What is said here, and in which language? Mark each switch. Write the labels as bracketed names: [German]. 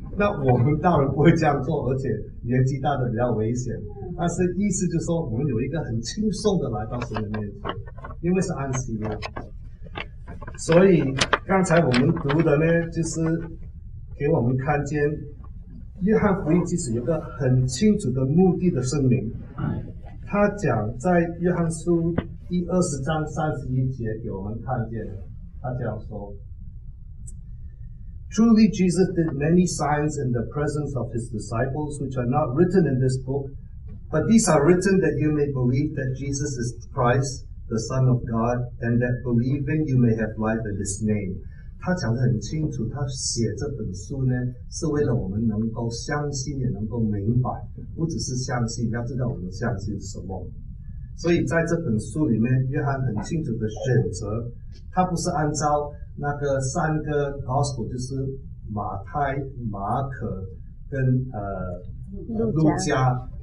[Chinese] 那我们当然不会这样做，而且年纪大的比较危险，但是意思就是说我们有一个很轻松的来到神的面前，因为是安息的。所以刚才我们读的呢，就是给我们看见约翰福音其实有个很清楚的目的的声明。他讲在约翰书第二十章三十一节给我们看见，他这样说 [English] Truly Jesus did many signs in the presence of his disciples which are not written in this book, but these are written that you may believe that Jesus is Christ,the Son of God, and that believing you may have life in His name. [Chinese] 他讲得很清楚，他写这本书呢，是为了我们能够相信，也能够明白，不只是相信，要知道我们相信什么。所以在这本书里面，约翰很清楚的选择，他不是按照那个三个 Gospel， 就是马太、马可跟路加。